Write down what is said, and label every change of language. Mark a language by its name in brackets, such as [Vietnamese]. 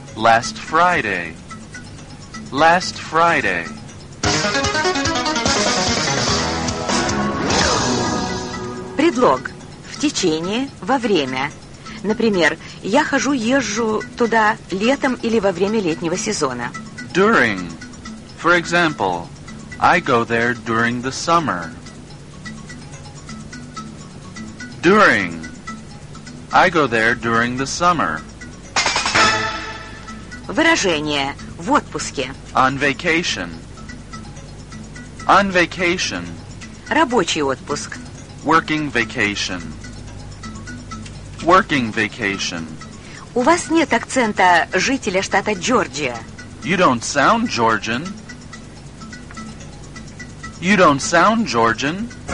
[English] Last Friday. Last Friday. [Russian] Предлог. В течение, во время. Например, я хожу, езжу туда летом или во время летнего сезона. [English] During. For example, I go there during the summer. During. I go there during the summer. [Russian] Выражение. В отпуске. [English] On vacation. On vacation. [Russian] Рабочий отпуск. [English] Working vacation. Working vacation. [Russian] У вас нет акцента жителя штата Джорджия. [English] You don't sound Georgian. You don't sound Georgian.